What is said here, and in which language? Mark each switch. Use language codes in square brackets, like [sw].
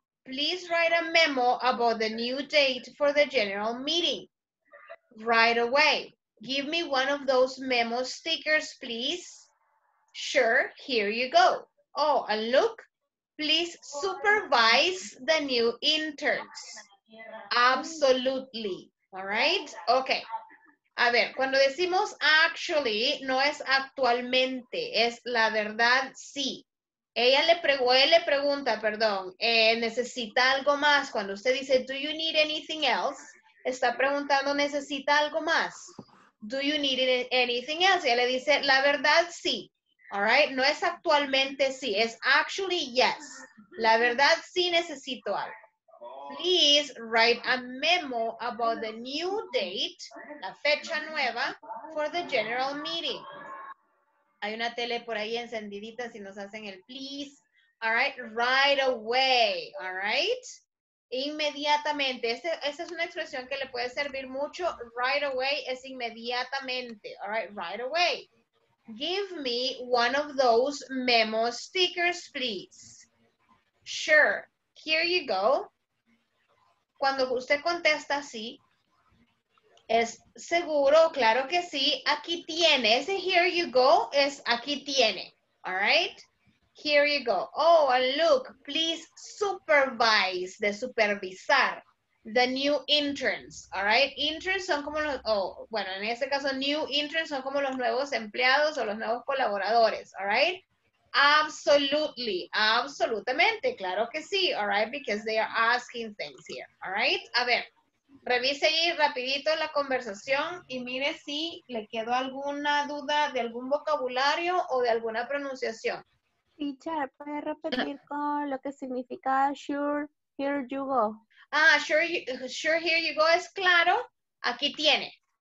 [en] Please write a memo about the new date for the general meeting right away. Give me one of those memo stickers, please. Sure, here you go. Oh, and look, please supervise the new interns. Absolutely, all right? [es] Okay, a ver, cuando decimos actually, no es actualmente, es la verdad, sí. Él le pregunta, ¿necesita algo más? Cuando usted dice, [en] do you need anything else? [es] Está preguntando, ¿necesita algo más? [en] Do you need anything else? [es] Y él le dice, la verdad, sí. [en] All right? [es] No es actualmente sí, es [en] actually yes. [es] La verdad, sí necesito algo. [en] Please write a memo about the new date, [es] la fecha nueva, [en] for the general meeting. [es] Hay una tele por ahí encendidita si nos hacen el please. [en] All right, right away. [es] All right, inmediatamente. Esa es una expresión que le puede servir mucho. [en] Right away [es] es inmediatamente. All right away. [en] Give me one of those memo stickers, please. Sure, here you go. [es] Cuando usted contesta así, es seguro, claro que sí, aquí tiene. Ese here you go es aquí tiene, [en] all right? Here you go. Oh, and look, please supervise, [es] de supervisar, [en] the new interns, all right? [es] Interns son como los, en este caso, new interns son como los nuevos empleados o los nuevos colaboradores, all right? [en] Absolutely, [es] absolutamente, claro que sí, all right? [en] Because they are asking things here, all right? [es] A ver. Revise ahí rapidito la conversación y mire si le quedó alguna duda de algún vocabulario o de alguna pronunciación. Teacher, ¿puede repetir con lo que significa [en] sure, here you go? [es] Ah, [en] sure, here you go [es] es claro, aquí tiene.